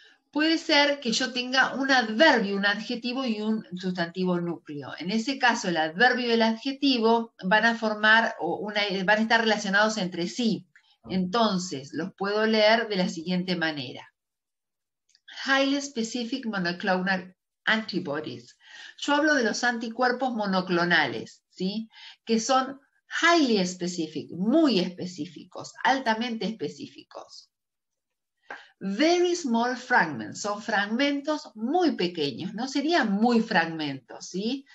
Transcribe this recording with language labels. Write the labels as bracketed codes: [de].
[es] Puede ser que yo tenga un adverbio, un adjetivo y un sustantivo núcleo. En ese caso, el adverbio y el adjetivo van a formar o van a estar relacionados entre sí. Entonces, los puedo leer de la siguiente manera. [en] Highly specific monoclonal antibodies. [es] Yo hablo de los anticuerpos monoclonales, ¿sí? Que son [en] highly specific, [es] muy específicos, altamente específicos. [en] Very small fragments, [es] son fragmentos muy pequeños, no serían muy fragmentos, ¿sí?